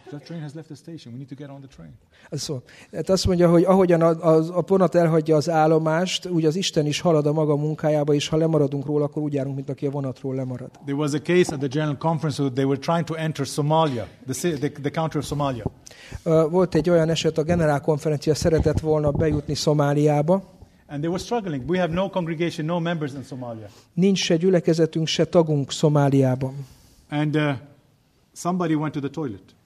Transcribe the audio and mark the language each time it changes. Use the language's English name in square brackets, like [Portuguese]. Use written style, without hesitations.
[English] That train has left the station. We need to get on the train. [Hungarian] Tehát azt mondja, hogy ahogyan a vonat elhagyja az állomást, úgy az Isten is halad a maga munkájába, és ha lemaradunk róla, akkor úgy járunk, mint aki a vonatról lemarad. [English] There was a case at the General Conference where they were trying to enter Somalia, the country of Somalia. [Hungarian] Volt egy olyan eset, a General Konferencia szeretett volna bejutni Szomáliába. [English] And they were struggling. We have no congregation, no members in Somalia. [Hungarian] Nincs se gyülekezetünk, se tagunk Szomáliában. [English] And somebody went to the toilet.